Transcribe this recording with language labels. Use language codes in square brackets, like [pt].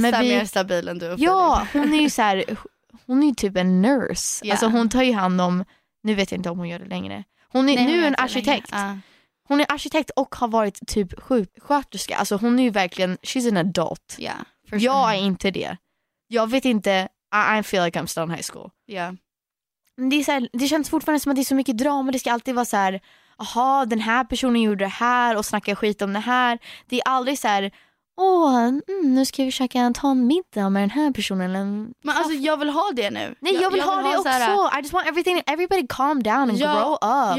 [sv] men vi är mer stabil än du. Ja, hon är ju så här, hon är ju typ en nurse. Yeah. Alltså hon tar ju hand om, nu vet jag inte om hon gör det längre. Hon är hon är en arkitekt. Hon är arkitekt och har varit typ sjuksköterska. Alltså hon är ju verkligen, [en] she's an adult. Yeah, for sure. [sv] Jag är inte det. Jag vet inte, [en] I feel like I'm still in high school. Yeah. [sv] Det, är så här, det känns fortfarande som att det är så mycket drama. Det ska alltid vara så här, aha, den här personen gjorde det här och snackar skit om det här. Det är aldrig så här, nu ska vi försöka ta en middag med den här personen. Men alltså, jag vill ha det nu. Nej, jag vill ha det också. Här, [en] I just want everything, everybody calm down and grow up.